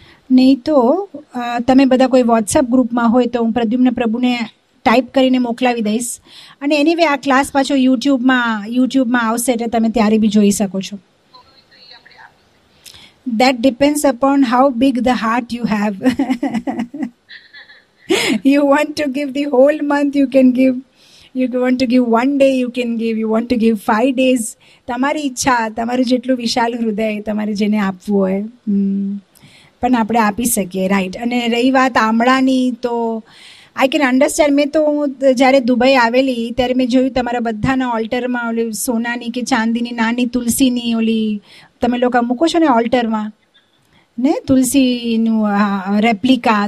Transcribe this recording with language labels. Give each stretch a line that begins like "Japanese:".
Gujarati: નહીં તો તમે બધા કોઈ વોટ્સએપ ગ્રુપમાં હોય તો હું પ્રદ્યુમ્ન પ્રભુને ટાઈપ કરીને મોકલાવી દઈશ. અને એની વે આ ક્લાસ પાછો યુટ્યુબમાં આવશે એટલે તમે ત્યારે બી જોઈ શકો છો.
English: That depends upon how big the heart you have. You want to give the whole month, you can give. You want to give one day, you can give. You want to give 5 days.
Gujarati: તમારી ઈચ્છા, તમારું જેટલું વિશાલ હૃદય, તમારે જેને આપવું હોય પણ આપણે આપી શકીએ, રાઈટ. અને રહી વાત આમળાની, તો
English: I can understand.
Gujarati: મેં તો હું જ્યારે દુબઈ આવેલી ત્યારે મેં જોયું તમારા બધાના ઓલ્ટરમાં ઓલી સોનાની કે ચાંદીની નાની તુલસીની ઓલી તમે લોકો મૂકો છો ને ઓલ્ટરમાં, ને તુલસીનું રેપ્લિકા.